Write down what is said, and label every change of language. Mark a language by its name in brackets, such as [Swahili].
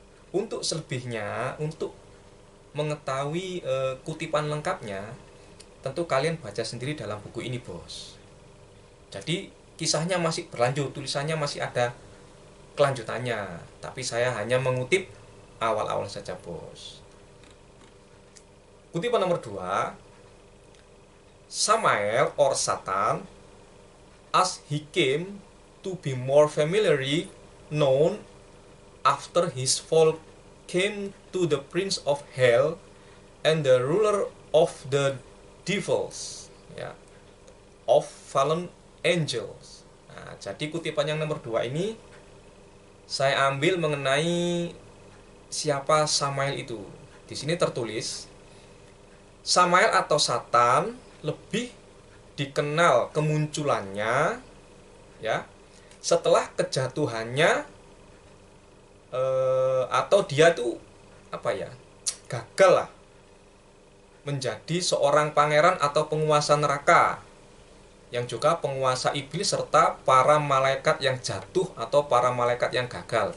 [Indonesian] Untuk selebihnya, untuk mengetahui kutipan lengkapnya, tentu kalian baca sendiri dalam buku ini, bos. Jadi, kisahnya masih berlanjut, tulisannya masih ada kelanjutannya, tapi saya hanya mengutip awal-awal saja, bos. Kutipan nomor 2. [English] Samael or Satan, as he came to be more familiarly known after his fall, came to the prince of hell and the ruler of the devils, of fallen angels. [Indonesian] Nah, jadi kutipan yang nomor 2 ini saya ambil mengenai siapa Samael itu. Di sini tertulis Samael atau Satan lebih dikenal kemunculannya setelah kejatuhannya atau dia tuh apa ya gagal lah menjadi seorang pangeran atau penguasa neraka yang juga penguasa iblis serta para malaikat yang jatuh atau para malaikat yang gagal.